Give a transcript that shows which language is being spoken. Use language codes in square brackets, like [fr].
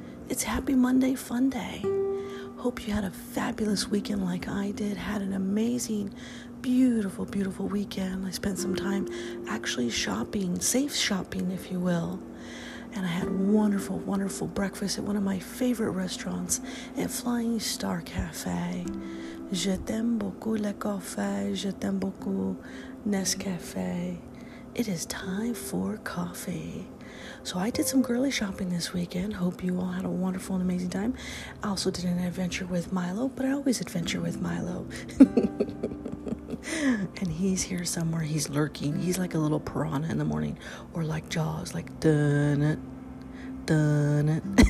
[en] It's Happy Monday Fun Day. Hope you had a fabulous weekend like I did. Had an amazing, beautiful, beautiful weekend. I spent some time actually shopping, safe shopping, if you will. And I had wonderful, wonderful breakfast at one of my favorite restaurants at Flying Star Cafe. [fr] Je t'aime beaucoup le café. Je t'aime beaucoup Nescafé. [en] It is time for coffee. So I did some girly shopping this weekend. Hope you all had a wonderful and amazing time. I also did an adventure with Milo, but I always adventure with Milo. And he's here somewhere. He's lurking. He's like a little piranha in the morning. Or like Jaws, like dun it, dun it.